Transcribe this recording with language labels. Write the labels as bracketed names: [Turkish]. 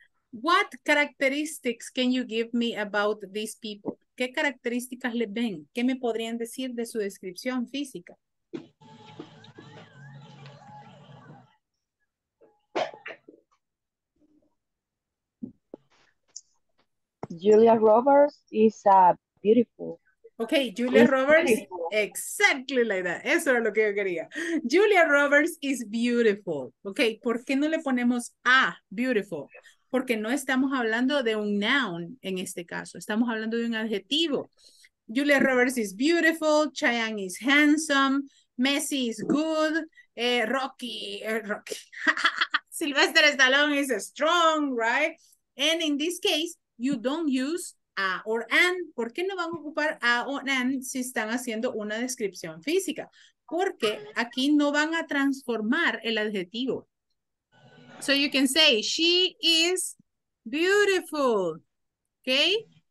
[English] What characteristics can you give me about these people? [Spanish] ¿Qué características le ven? ¿Qué me podrían decir de su descripción física? [English] Julia Roberts is beautiful. Okay, Julia is Roberts, beautiful. Exactly like that. [Spanish] Eso era lo que yo quería. [English] Julia Roberts is beautiful. Okay, [Spanish] ¿por qué no le ponemos [English] beautiful? [Spanish] Porque no estamos hablando de un noun en este caso. Estamos hablando de un adjetivo. [English] Julia Roberts is beautiful. Chayang is handsome. Messi is good. Rocky. Sylvester Stallone is strong, right? And in this case, you don't use a or an. [Spanish] ¿Por qué no van a ocupar a o an si están haciendo una descripción física? Porque aquí no van a transformar el adjetivo. [English] So you can say, she is beautiful, okay?